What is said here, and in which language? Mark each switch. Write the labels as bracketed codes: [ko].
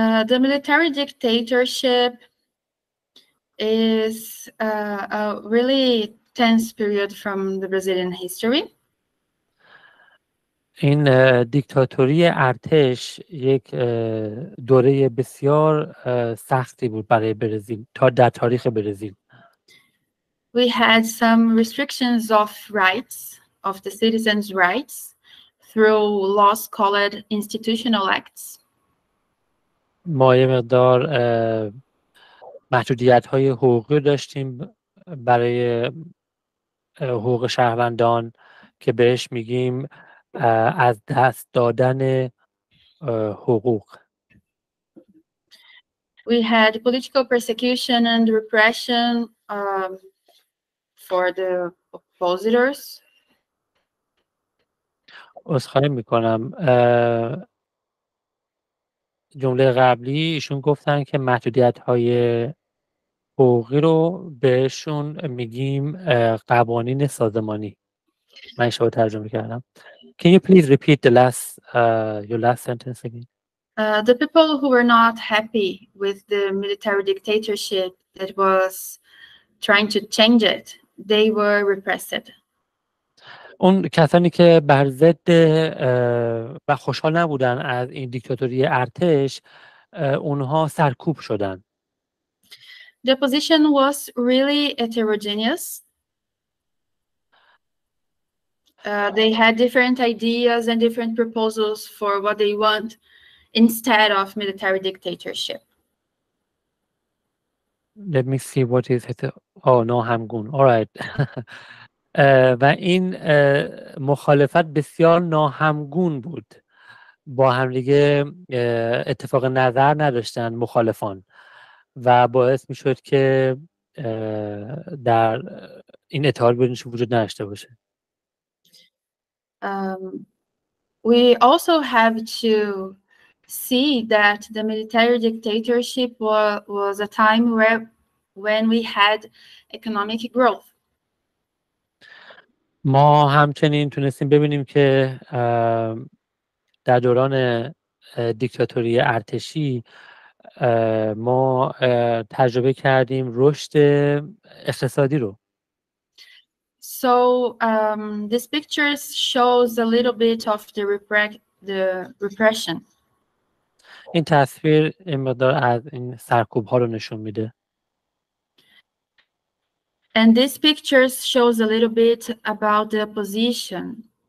[en] The military dictatorship is a really tense period from the Brazilian history. [fa] این دیکتاتوری ارتش یک دوره بسیار سختی بود برای برزیل تا در تاریخ برزیل. [en] We had some restrictions of rights, of the citizens' rights, through laws called institutional acts. [fa] ما یه مقدار محدودیت‌های حقوقی داشتیم برای حقوق شهروندان که بهش میگیم از دست دادن حقوق. [en] We had political persecution and repression for the oppositors. [fa] عذرخواهی میکنم. جمله قبلی ایشون گفتن که محدودیت های حقوقی رو بهشون میگیم قوانین سازمانی. من اشتباه ترجمه کردم. [en] Can you please repeat the last your last sentence again? The people who were not happy with the military dictatorship that was trying to change it, they were repressed. [fa] اون کسانی که بر ضد و خوشحال نبودن از این دیکتاتوری ارتش اونها سرکوب شدن. [en] The opposition was really heterogeneous. They had different ideas and different proposals for what they want instead of military dictatorship. Let me see what is it. Oh no, همگون. All right. [fa] و این مخالفت بسیار ناهمگون بود. با هم دیگه اتفاق نظر نداشتن مخالفان و باعث میشد که در این اتحاد بینشون وجود نداشته باشه. [en] We also have to see that the military dictatorship was a time when we had economic growth. [fa] ما همچنین تونستیم ببینیم که در دوران دیکتاتوری ارتشی ما تجربه کردیم رشد اقتصادی رو. [en] So this picture shows a little bit of the repression. [fa] این تصویر این مقدار از این سرکوب ها رو نشون میده. [en] And this picture shows a little bit about the opposition.